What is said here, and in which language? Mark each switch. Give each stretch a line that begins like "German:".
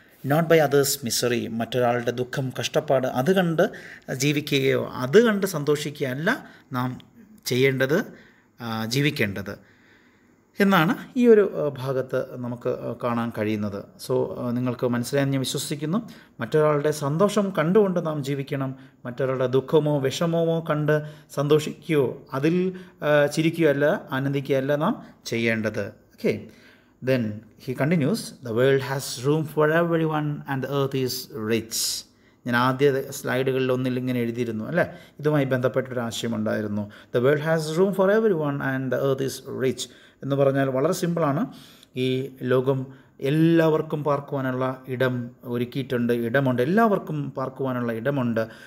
English: Not by others' misery,
Malayalam: മറ്റൊരാളുടെ ദുഃഖം, കഷ്ടപ്പാട് അത് കണ്ട് ജീവിക്കുകയോ അത് കണ്ട് സന്തോഷിക്കുകയല്ല നാം ചെയ്യേണ്ടത്, ജീവിക്കേണ്ടത് എന്നാണ് ഈ ഒരു ഭാഗത്ത് നമുക്ക് കാണാൻ കഴിയുന്നത്. സോ നിങ്ങൾക്ക് മനസ്സിലായെന്ന് ഞാൻ വിശ്വസിക്കുന്നു. മറ്റൊരാളുടെ സന്തോഷം കണ്ടുകൊണ്ട് നാം ജീവിക്കണം. മറ്റൊരാളുടെ ദുഃഖമോ വിഷമമോ കണ്ട് സന്തോഷിക്കുകയോ അതിൽ ചിരിക്കുകയോ അല്ല, ആനന്ദിക്കുകയല്ല നാം ചെയ്യേണ്ടത്.
English: Okay, Then he continues, the world has room for everyone and the earth is rich.
Malayalam: ഞാൻ ആദ്യ സ്ലൈഡുകളിൽ ഒന്നിൽ ഇങ്ങനെ എഴുതിയിരുന്നു അല്ലേ, ഇതുമായി ബന്ധപ്പെട്ടൊരു ആശയം ഉണ്ടായിരുന്നു.
English: The world has room for everyone and the earth is rich എന്ന് പറഞ്ഞാൽ വളരെ സിമ്പിളാണ്.
Malayalam: ഈ ലോകം എല്ലാവർക്കും പാർക്കുവാനുള്ള ഇടം ഒരുക്കിയിട്ടുണ്ട്, ഇടമുണ്ട്, എല്ലാവർക്കും പാർക്കുവാനുള്ള ഇടമുണ്ട്.